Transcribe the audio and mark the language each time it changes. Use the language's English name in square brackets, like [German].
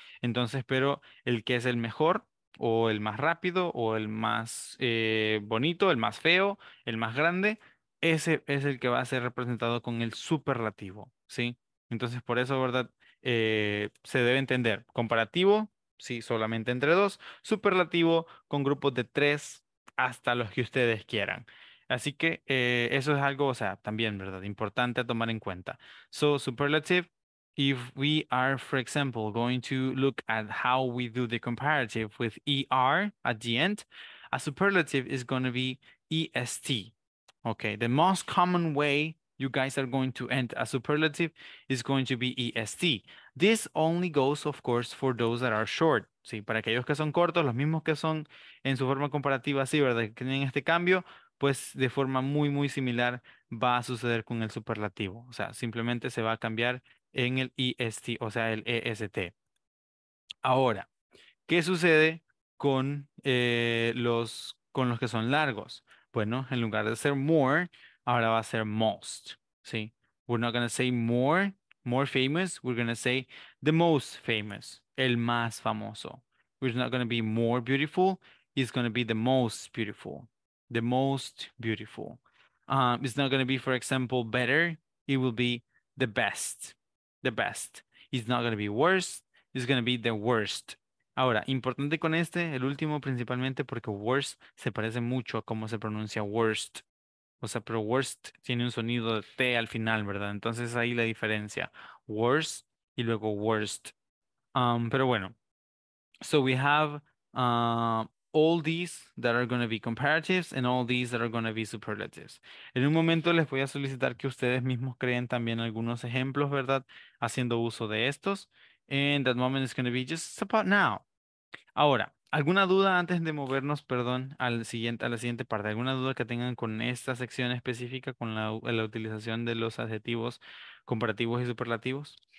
[Spanish] Entonces, pero el que es el mejor o el más rápido o el más bonito, el más feo, el más grande, ese es el que va a ser representado con el superlativo, ¿sí? Entonces, por eso, ¿verdad? Se debe entender comparativo, sí, solamente entre 2, superlativo con grupos de 3 hasta los que ustedes quieran. Así que eso es algo, o sea, también, ¿verdad? Importante a tomar en cuenta. [English] So, superlative, if we are, for example, going to look at how we do the comparative with ER at the end, a superlative is going to be EST. Okay, the most common way you guys are going to end a superlative is going to be EST. This only goes, of course, for those that are short. [Spanish] Sí, para aquellos que son cortos, los mismos que son en su forma comparativa, sí, ¿verdad? Que tienen este cambio, pues de forma muy, muy similar va a suceder con el superlativo. O sea, simplemente se va a cambiar en el EST, o sea, el EST. Ahora, ¿qué sucede con los que son largos? Bueno, en lugar de ser more, ahora va a ser most, ¿sí? [English] We're not going to say more famous, we're going to say the most famous, [Spanish] el más famoso. [English] We're not going to be more beautiful, it's going to be the most beautiful, the most beautiful. It's not going to be, for example, better, it will be the best, the best. It's not going to be worse, it's going to be the worst. [Spanish] Ahora, importante con este, el último principalmente, porque worst se parece mucho a cómo se pronuncia worst. O sea, pero worst tiene un sonido de T al final, ¿verdad? Entonces ahí la diferencia. Worst y luego worst. Pero bueno. [English] So we have all these that are going to be comparatives and all these that are going to be superlatives. [Spanish] En un momento les voy a solicitar que ustedes mismos creen también algunos ejemplos, ¿verdad? Haciendo uso de estos. [English] And that moment is going to be just about now. [Spanish] Ahora. ¿Alguna duda antes de movernos, perdón, a la siguiente parte? ¿Alguna duda que tengan con esta sección específica, con la utilización de los adjetivos comparativos y superlativos?